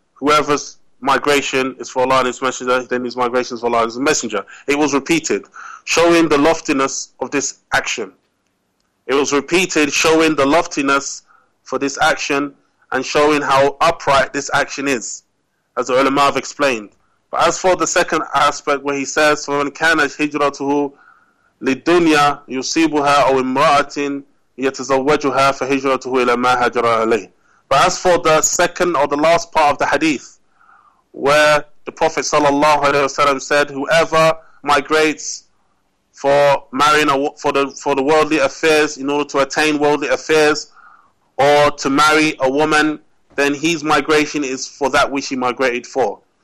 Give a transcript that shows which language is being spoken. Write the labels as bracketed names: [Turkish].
[English] Whoever's migration is for Allah and his messenger, then his migration is for Allah and his messenger. It was repeated, showing the loftiness of this action. It was repeated, showing the loftiness for this action, and showing how upright this action is, as the ulama have explained. [Arabic] But as for the second aspect, where he says, فَمَنْ كَانَتْ هِجْرَتُهُ لِلدُّنْيَا يُصِيبُهَا أَوْ إِمْرَأَةٍ يَتَزَوَّجُهَا فَهِجْرَتُهُ إِلَى مَا هَجْرَ عَلَيْهِ. [English] But as for the second or the last part of the hadith, where the Prophet ﷺ said, whoever migrates for marrying for the worldly affairs, in order to attain worldly affairs, or to marry a woman, then his migration is for that which he migrated for.